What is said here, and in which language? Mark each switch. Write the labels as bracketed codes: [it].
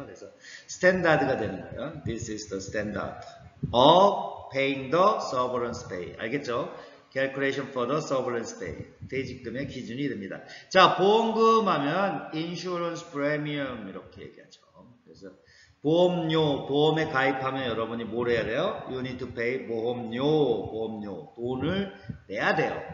[ko] 그래서 스탠다드가 되는 거예요. [en] This is the standard of paying the severance pay. [ko] 알겠죠? [en] Calculation for the severance pay. [ko] 퇴직금의 기준이 됩니다. 자, 보험금 하면 insurance premium 이렇게 얘기하죠. 그래서 보험료, 보험에 가입하면 여러분이 뭘 해야 돼요? [en] You need to pay [ko] 보험료, 보험료. 돈을 내야 돼요.